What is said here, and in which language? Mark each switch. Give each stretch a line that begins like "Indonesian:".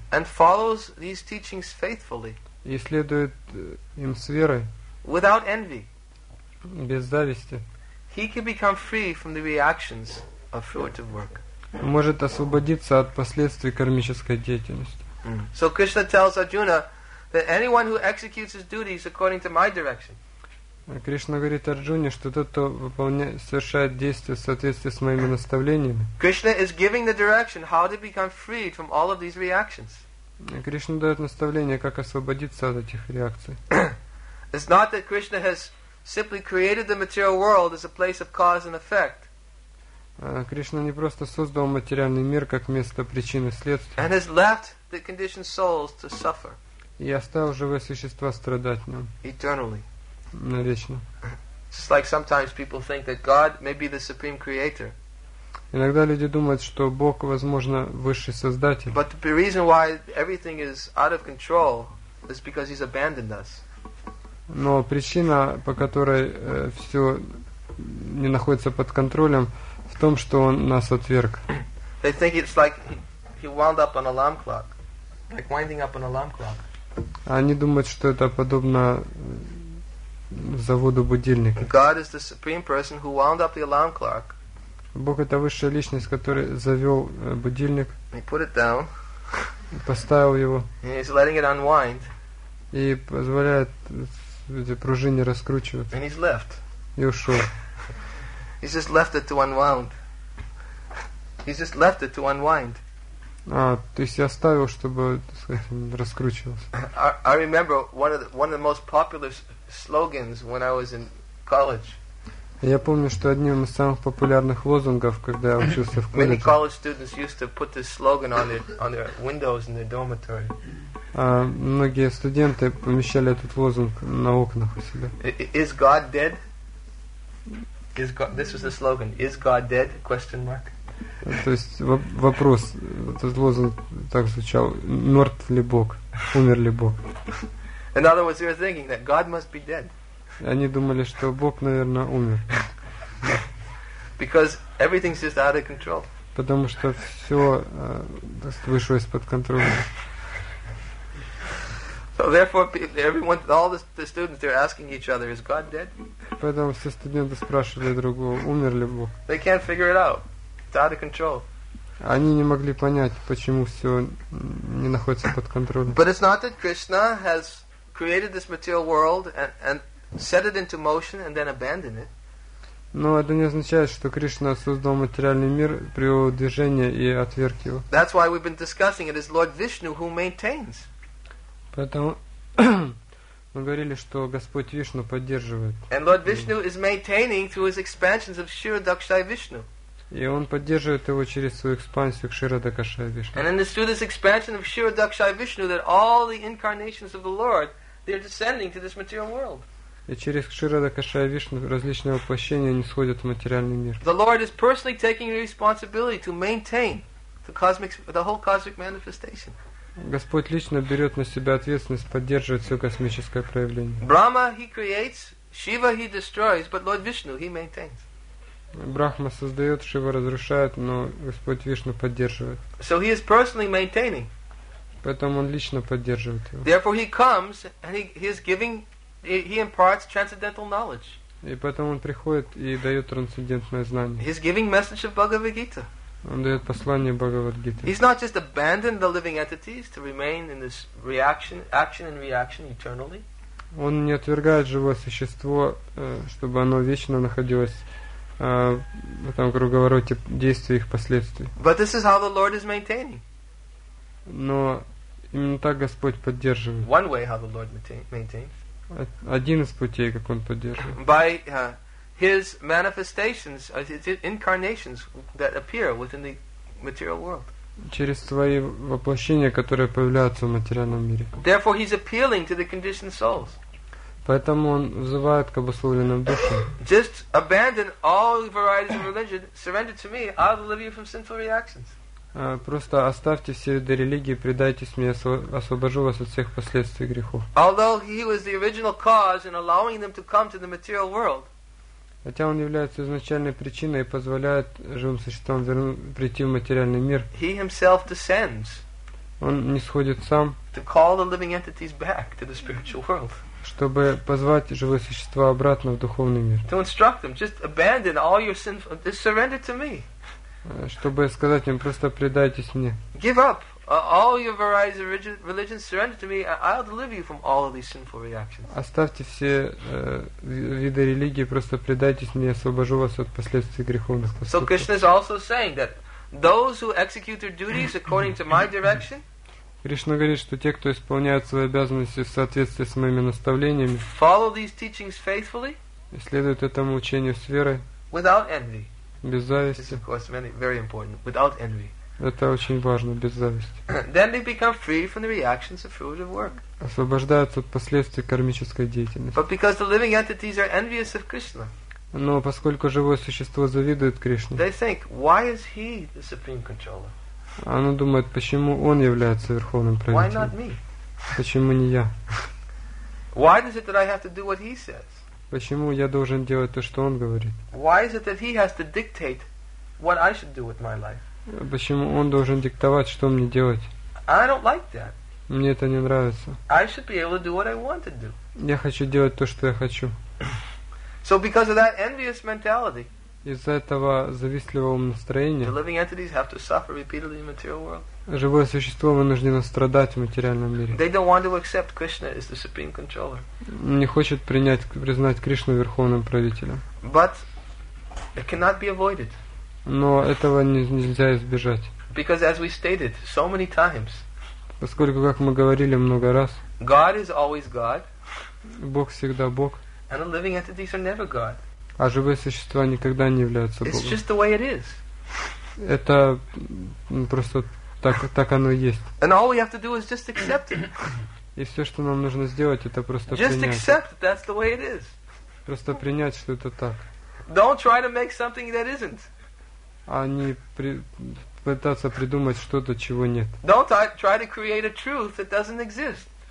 English: And follows these teachings faithfully.
Russian: И следует им с верой.
English: Without envy.
Russian: Без зависти.
English: He can become free from the reactions of fruitive work.
Russian: Может освободиться от последствий кармической деятельности.
English: So Krishna tells Arjuna. That anyone who executes his duties according to my direction.
Russian: Кришна говорит Арджуне, что тот, кто выполняет, совершает действия в соответствии с моими наставлениями.
English: Krishna is giving the direction how to become freed from all of these reactions.
Russian: Кришна дает наставление, как освободиться от этих реакций.
English: It's not that Krishna has simply created the material world as a place of cause and effect.
Russian: Кришна не просто создал материальный мир как место причины и следствия.
English: And has left the conditioned souls to suffer.
Russian: И оставил живые существа страдать в нем.
English: Eternally.
Russian: Навечно.
English: Just like sometimes people think that God may be the supreme creator.
Russian: Иногда люди думают, что Бог, возможно, высший создатель.
English: But the reason why everything is out of control is because he's abandoned us.
Russian: Но причина, по которой все не находится под контролем, в том, что он нас отверг.
English: They think it's like he wound up an alarm clock. Like winding up an alarm clock.
Russian: Они думают, что это подобно заводу будильника.
English: God is the supreme person who wound up the alarm clock.
Russian: Бог это высшая личность, который завел будильник.
English: He put it down.
Russian: Поставил его.
English: And he's letting it unwind.
Russian: И позволяет эти пружины раскручиваться.
English: And he's left.
Russian: И ушел.
English: He's just left it to unwind. He's just left it to unwind.
Russian: А, то есть я оставил, чтобы, так сказать, раскручивался.
English: I remember one of the most popular slogans when I was in college.
Russian: Я помню, что одним из самых популярных лозунгов, когда я учился в колледже.
English: Many college students used to put this slogan on their windows in their dormitory.
Russian: Многие студенты помещали этот лозунг на окнах у себя.
English: Is God dead? Is God, this was the slogan. Is God dead? Question mark.
Russian: То есть вопрос, этот лозунг так звучал: мертв ли Бог, умер ли Бог?
English: In other words, they were thinking that God must be dead.
Russian: Они думали, что Бог, наверное, умер.
English: Because everything's just out of control.
Russian: Потому что все вышло из-под контроля.
English: So therefore, everyone, all the students, they're asking each other, "Is God dead?"
Russian: Поэтому все студенты спрашивали другого: умер ли Бог?
English: They can't figure it out. Out of control.
Russian: Они не могли понять, почему все не находится под контролем.
English: But it's not that Krishna has created this material world and set it into motion and then abandoned it.
Russian: Но это не означает, что Кришна создал материальный мир, привел движение и отверг его.
English: That's why we've been discussing it as Lord Vishnu who maintains.
Russian: Поэтому Мы говорили, что Господь Вишну поддерживает.
English: And Lord Vishnu is maintaining through his expansions of Shri Dakshai Vishnu.
Russian: И он поддерживает его через свою экспансию к Шри Дакшай Вишну.
English: And it is through this expansion of Shri Dakshai Vishnu that all the incarnations of the Lord, they are descending to this material world.
Russian: И через Шри Дакшай Вишну различные воплощения нисходят в материальный мир.
English: The Lord is personally taking responsibility to maintain the whole cosmic manifestation.
Russian: Господь лично берет на себя ответственность поддерживать все космическое проявление.
English: Brahma he creates, Shiva he destroys, but Lord Vishnu he maintains.
Russian: Брахма создает, Шива разрушает, но Господь Вишну поддерживает.
English: So he is personally maintaining.
Russian: Поэтому он лично поддерживает его.
English: Therefore he comes and he is giving, he imparts transcendental knowledge.
Russian: И поэтому он приходит и дает трансцендентное знание.
English: He is giving message of Bhagavad Gita.
Russian: Он дает послание Бхагавад-гите.
English: He's not just abandoned the living entities to remain in this reaction, action and reaction eternally.
Russian: Он не отвергает живое существо, чтобы оно вечно находилось в этом круговороте действий и их последствий.
English: But this is how the Lord is maintaining.
Russian: Но именно так Господь поддерживает.
English: One way how the Lord maintains.
Russian: Один из путей, как Он поддерживает.
English: By His manifestations, His incarnations that appear within the material world.
Russian: Через свои воплощения, которые появляются в материальном мире.
English: Therefore, He's appealing to the conditioned souls.
Russian: Поэтому Он взывает к обусловленным душам.
English: Just abandon all varieties of religion, surrender to Me, I'll deliver you from sinful reactions.
Russian: Просто оставьте все виды религии, предайтесь Мне, освобожу вас от всех последствий грехов.
English: Although He was the original cause in allowing them to come to the material world.
Russian: Хотя он является изначальной причиной и позволяет живым существам прийти в материальный мир.
English: He himself descends.
Russian: Он нисходит сам.
English: To call the living entities back to the spiritual world.
Russian: Чтобы позвать живые существа обратно в духовный мир.
English: To instruct them, just abandon all your sins, just surrender to Me.
Russian: Чтобы сказать им, просто предайтесь Мне.
English: Give up all your varieties of religion, surrender to Me, and I'll deliver you from all of these sinful reactions.
Russian: Оставьте все виды религии, просто предайтесь Мне, освобожу вас от последствий греховных поступков.
English: So Krishna is also saying that those who execute their duties according to My direction,
Russian: Кришна говорит, что те, кто исполняет свои обязанности в соответствии с Моими наставлениями,
English: follow these teachings faithfully,
Russian: следуют этому учению с верой,
English: without envy,
Russian: без зависти.
English: This is of course very, very important, without envy.
Russian: Это очень важно, без зависти.
English: Then they become free from the reactions of fruitive work.
Russian: Освобождаются от последствий кармической деятельности.
English: But because the living entities are envious of Krishna.
Russian: Но поскольку живое существо завидует Кришне.
English: They think, why is he the supreme controller?
Russian: Оно думает, почему он является верховным правителем?
English: Why not me?
Russian: Почему не я?
English: Why is it that I have to do what he says?
Russian: Почему я должен делать то, что он говорит?
English: Why is it that he has to dictate what I should do with my life?
Russian: Почему он должен диктовать, что мне делать?
English: I don't like that.
Russian: Мне это не нравится.
English: I should be able to do what I want to do.
Russian: Я хочу делать то, что я хочу.
English: So because of that envious mentality,
Russian: из-за этого завистливого настроения,
English: the living entities have to suffer repeatedly in the material world.
Russian: Живое существо вынуждено страдать в материальном мире.
English: They don't want to accept Krishna as the supreme controller.
Russian: Не хочет признать Кришну верховным правителем.
English: But it cannot be avoided.
Russian: Но этого нельзя избежать.
English: Because as we stated so many times,
Russian: поскольку, как мы говорили много раз,
English: God is always God,
Russian: Бог всегда Бог,
English: and the living entities are never God.
Russian: А живые существа никогда не являются Богом.
English: It's just the way it is.
Russian: Это просто так оно и есть.
English: And all we have to do is just accept it.
Russian: И все, что нам нужно сделать, это просто
English: just
Russian: принять.
English: Just accept that that's the way it is.
Russian: Просто принять, что это так.
English: Don't try to make something that isn't.
Russian: А не пытаться придумать что-то, чего нет.
English: Don't try to create a truth that doesn't exist.